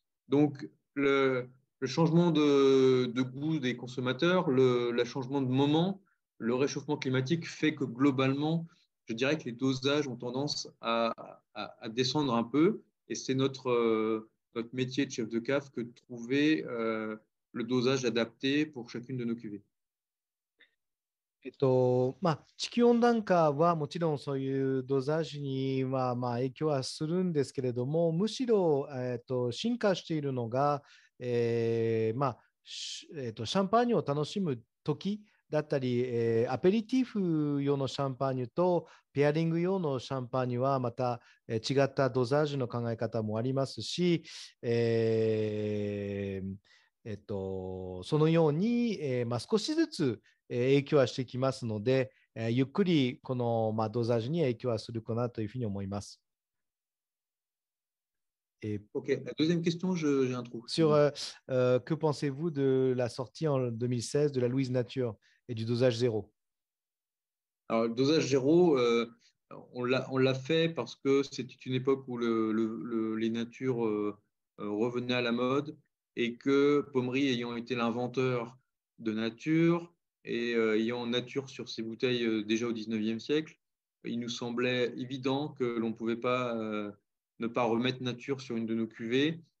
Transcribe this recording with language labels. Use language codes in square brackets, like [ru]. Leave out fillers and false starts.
[fr] Donc le changement de goût des consommateurs, le changement de moment, le réchauffement climatique fait que globalement, je dirais que les dosages ont tendance à descendre un peu. Et c'est notre métier de chef de cave que de trouver le dosage adapté pour chacune de nos cuvées. [ja] まあ、地球温暖化はもちろんそういうドザージにはまあ影響はするんですけれども、むしろ進化しているのが、シャンパーニュを楽しむ時だったり、アペリティフ用のシャンパーニュとペアリング用のシャンパーニュはまた違ったドザージの考え方もありますし、そのように、少しずつ影響はしてきますので、ゆっくりこの、ドザージュに影響はするかなというふうに思います。 [fr] Et OK, la deuxième question, j'ai un trou. Sur que pensez-vous de la sortie en 2016 de la Louise Nature et du dosage zéro? Alors, le dosage zéro, on l'a fait parce que c'était une époque où les natures revenaient à la mode et que Pommery, ayant été l'inventeur de nature et ayant nature sur ses bouteilles déjà au 19e siècle, il nous semblait évident que l'on ne pouvait pas ne pas remettre nature sur une de nos cuvées.